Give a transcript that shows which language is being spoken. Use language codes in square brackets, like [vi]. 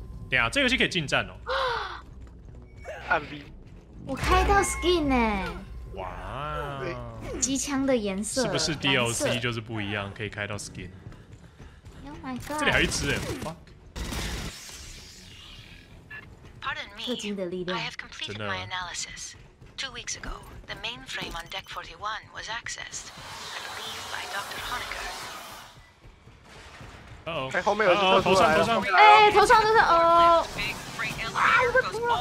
[zh] 等下，这游戏可以近战哦。按 B。我开到 skin 哎、欸。哇！机枪的颜色是不是 DLC 就是不一样？可以开到 skin。这里还有一只哎 ，fuck！ [en] Pardon me, [zh] 氪金的力量。 [en] I have completed my analysis. 2 weeks ago, the mainframe on deck 41 was accessed, I believe by Dr. Honecker. 哎， [zh] 后面有头上，头上，哎，头上，头上，哦！啊，有个怪！